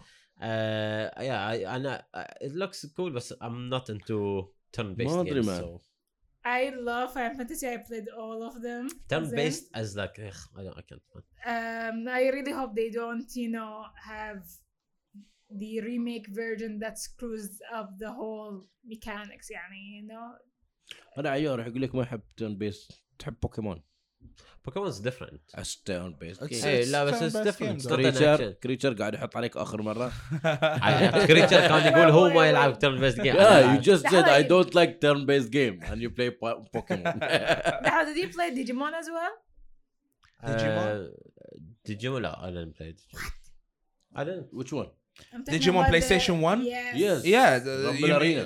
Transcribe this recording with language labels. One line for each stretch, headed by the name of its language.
English: Yeah, أنا it looks cool, but I'm not into turn-based games. I love Final Fantasy. I played all of them. Turn-based as like, ugh, I don't, I can't. I really hope they don't, you know, have the remake version that screws up the whole mechanics.
Arabic: أنا عيار رح أقول لك ما أحب turn-based. تحب بوكيمون.
English: Pokemon's different. It's turn-based. Okay.
Arabic: لا بس
English: it's different.
Arabic: Creature قاعد يحط عليك آخر مرة. Creature كان يقول هو ما يلعب turn-based game.
English: Yeah, you just said I don't like turn-based game and you play Pokemon. How did you play Digimon as well? Digimon? Digimon, لا, I didn't play Digimon. I didn't. Which one? Digimon PlayStation 1? Yes. Yeah, Rumble Arena.